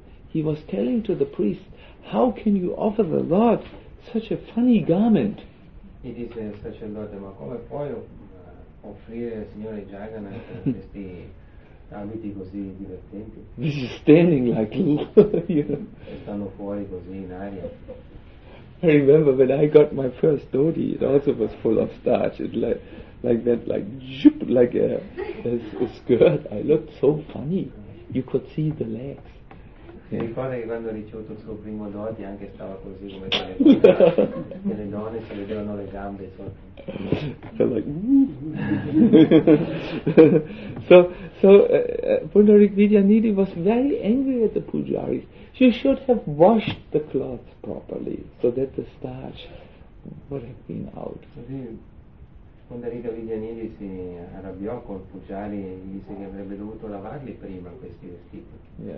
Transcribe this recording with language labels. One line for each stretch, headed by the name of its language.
English: He was telling to the priest, how can you offer the Lord such a funny garment?
Italian: E disse il sacerdote, ma come puoi offrire al signore Jagannath questi abiti così divertenti?
English: This is standing like
Italian: stanno fuori così in aria.
English: I remember when I got my first dhoti, it also was full of starch. It like that, like zhup, like a skirt. I looked so funny. You could see the legs.
Italian: Mi ricordo che quando ho ricevuto il suo primo dhoti anche stava così come e le donne si vedevano le gambe sotto.
English: Like, So Pundarik Vidyanidhi was very angry at the pujaris. She should have washed the cloth properly so that the starch would have been out.
Italian: Pundarik Vidyanidhi si arrabbiò col pujari e gli disse che avrebbe dovuto lavarli prima questi vestiti.